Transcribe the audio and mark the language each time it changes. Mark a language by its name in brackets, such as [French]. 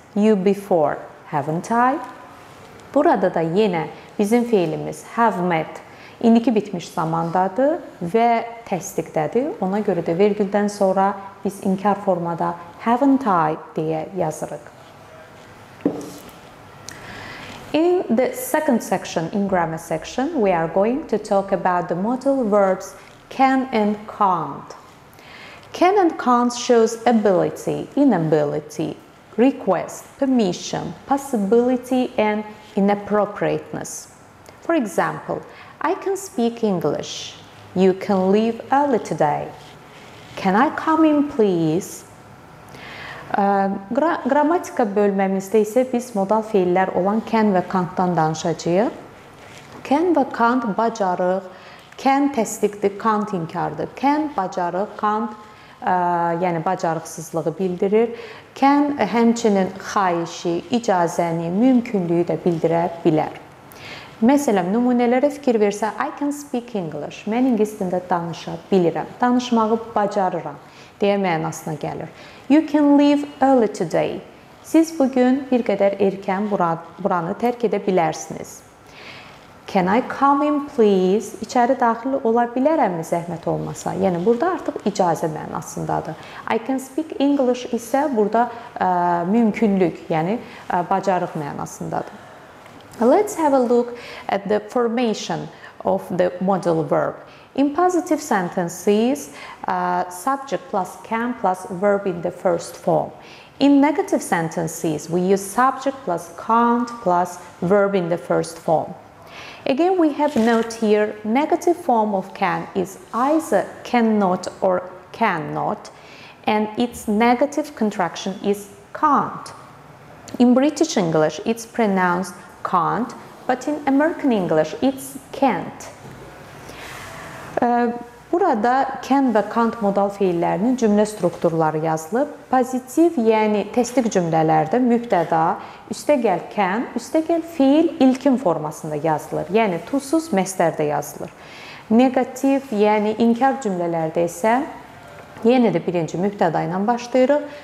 [English] you before, haven't I? [Azerbaijani] Burada da yenə bizim fiilimiz have met indiki bitmiş zamandadır və təsdiqdədir. Ona görə də virgüldən sonra biz inkar formada [English] haven't I [Azerbaijani] deyə yazırıq. [English] In the second section, in grammar section, we are going to talk about the modal verbs can and can't. Can and can't shows ability, inability, request, permission, possibility and inappropriateness. For example, I can speak English. You can leave early today. Can I come in, please? [Azerbaijani] Qrammatika bölməmizdə isə biz modal fiillər olan can və can't-dan danışacağıq. Can və can't bacarıq, can təsdiqdir, can't inkardır. Can bacarıq, can't yəni bacarıqsızlığı bildirir. Can həmçinin xahişi, icazəni, mümkünlüyü də bildirə bilər. Məsələn, nümunələrə fikir versə, [English] I can speak English. [Azerbaijani] Mən ingilis dilində danışa bilirəm, danışmağı bacarıram deyə mənasına gəlir. [English] You can leave early today. [Azerbaijani] Siz bugün bir qədər erkən buranı tərk edə bilərsiniz. [English] Can I come in, please? [Azerbaijani] İçəri daxil ola bilərəmmi zəhmət olmasa? Yəni, burada artıq icazə mənasındadır. [English] I can speak English [Azerbaijani] isə burada mümkünlük, yəni bacarıq mənasındadır. [English] Let's have a look at the formation of the modal verb. In positive sentences, subject plus can plus verb in the first form. In negative sentences, we use subject plus can't plus verb in the first form. Again, we have note here, negative form of can is either cannot or cannot, and its negative contraction is can't. In British English, it's pronounced can't, but in American English, it's can't. [Azerbaijani] Burada can və can't modal fiillərinin cümlə strukturları yazılıb. Pozitiv, yəni təsdiq cümlələrdə mübtəda, üstəgəl can, üstəgəl fiil ilkin formasında yazılır. Yəni, tusuz məsdərdə yazılır. Negativ, yəni inkar cümlələrdə isə yenə də birinci mübtəda ilə başlayırıq.